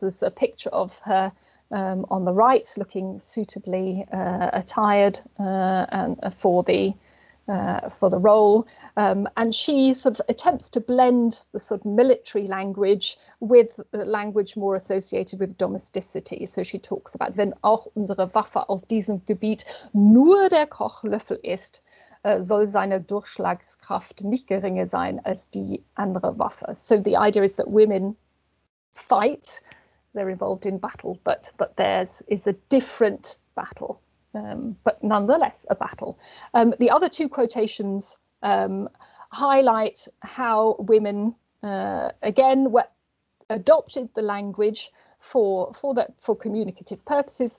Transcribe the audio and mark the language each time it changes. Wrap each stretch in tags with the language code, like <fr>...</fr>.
<en>There's a picture of her on the right, looking suitably attired for the role. And she sort of attempts to blend the sort of military language with language more associated with domesticity. So she talks about,</en> <de>wenn auch unsere Waffe auf diesem Gebiet nur der Kochlöffel ist, soll seine Durchschlagskraft nicht geringer sein als die andere Waffe.</de> <en>So the idea is that women fight, they're involved in battle, but theirs is a different battle, but nonetheless a battle. The other two quotations highlight how women again were adopted the language for communicative purposes.</en>